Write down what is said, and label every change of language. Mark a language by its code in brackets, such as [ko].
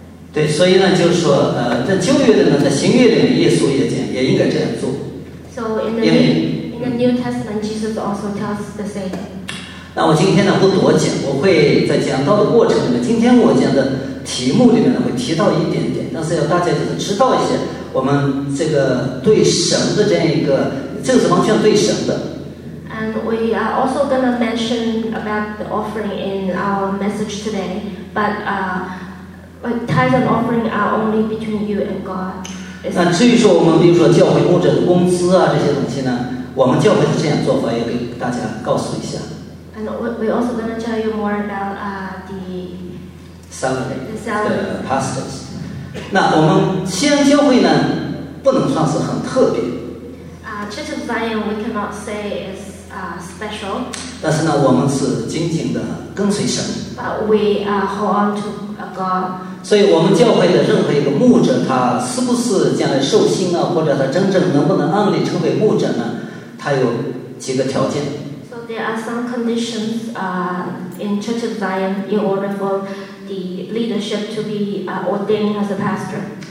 [zh] 对，所以呢，就是说，在旧约的呢，在新约里面，耶稣也讲，也应该这样做。 [en] So in the New Testament, Jesus also tells the same. [zh] 那我今天呢不多讲，我会在讲道的过程里面，今天我讲的题目里面呢会提到一点点，但是要大家就是知道一些我们这个对神的这样一个，这个是完全对神的。 [en] And we are also going to mention about the offering in our message today, but. But tithes and offering are only between you and God. [zh] 那至于说我们比如说教会牧者的工资啊这些东西呢，我们教会是这样做法，也给大家告诉一下。 [en] And we also going to tell you more about the salary, the pastors. [zh] 那我们西安教会呢，不能算是很特别。 [en] Church of Zion, we cannot say is special. [zh] 但是呢，我们是紧紧的跟随神。 [en] But we hold on to. [zh] 所以我们教会的任何一个牧者，他是不是将来受薪啊，或者他真正能不能按理成为牧者呢，他有几个条件。 [en] So there are some conditions in Church of Zion in order for the leadership to be ordained as a pastor.